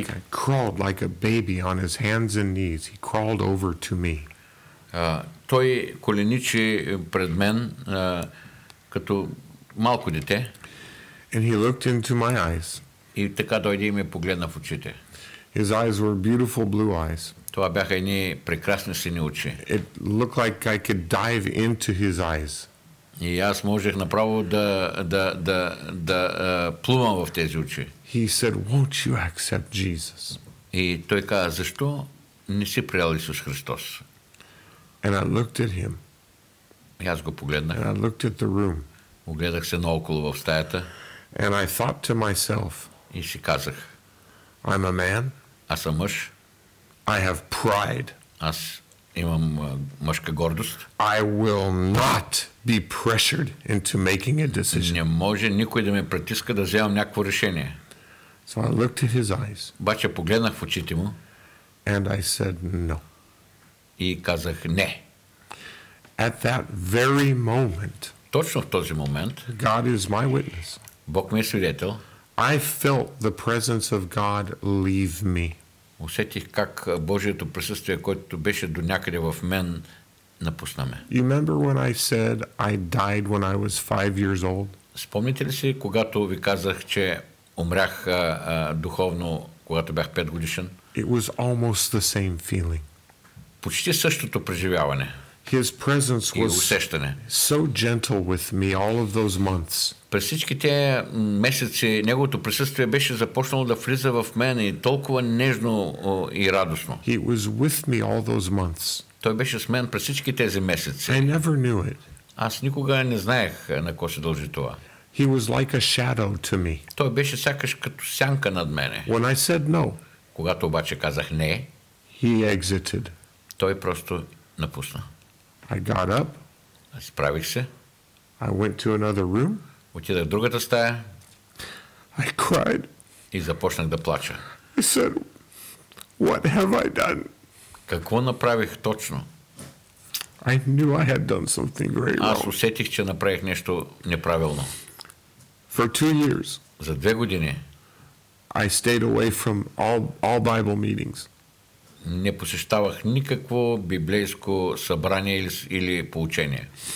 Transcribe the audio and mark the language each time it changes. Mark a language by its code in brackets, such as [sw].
[en] crawled like a baby on his hands and knees. He crawled over to me. [bg] Той коленичи пред мен като малко дете. [en] And he looked into my eyes. [bg] И така дойде и ме погледна в очите. [en] His eyes were beautiful blue eyes. [bg] Това бяха едни прекрасни сини очи. [en] It looked like I could dive into his eyes. [bg] И аз можех направо да плувам в тези очи. [en] He said, "Won't you accept Jesus?" [bg] И той каза, "Защо не си приел Исус Христос?" [en] And I looked at him. [bg] И аз го погледнах. [en] And I looked at the room. [bg] Огледах се наоколо в стаята. [en] And I thought to myself, [bg] и си казах, [en] I'm a man. [bg] Аз съм мъж. [en] I have pride. [bg] Аз имам мъжка гордост. [en] I will not be pressured into making a decision. [bg] Не може никой да ме притиска да вземам някакво решение. [en] So I looked at his eyes. [bg] Обаче погледнах в очите му. [en] And I said no. [bg] И казах не. [en] At that very moment, [bg] точно в този момент, [en] God is my witness. [bg] Бог ми е свидетел. [en] I felt the presence of God leave me. [bg] Усетих как Божието присъствие, което беше до някъде в мен, напусна ме. [en] You remember when I said I died when I was 5 years old? [bg] Спомните ли си, когато ви казах, че умрях духовно, когато бях 5 годишен? [en] It was almost the same feeling. [bg] Почти същото преживяване. [en] His presence was [bg] усещане. [en] So gentle with me all of those months. [bg] През всички тези месеци неговото присъствие беше започнало да влиза в мен и толкова нежно и радостно. [en] He was with me all those months. [bg] Той беше с мен през всички тези месеци. [en] I never knew it. [bg] Аз никога не знаех на кого се дължи това. [en] He was like a shadow to me. [bg] Той беше сякаш като сянка над мене. [en] When I said no, [bg] когато обаче казах не, [en] he exited. [bg] Той просто напусна. [en] I got up. [bg] Изправих се. [en] I went to another room. [bg] Отидах в другата стая. [en] I cried. [bg] И започнах да плача. [en] I said, "What have I done?" [bg] Какво направих точно? [en] I knew I had done something very wrong. [bg] Аз усетих, че направих нещо неправилно. [en] For 2 years. [bg] За 2 години. [en] I stayed away from all Bible meetings. [bg] Не посещавах никакво библейско събрание или поучение.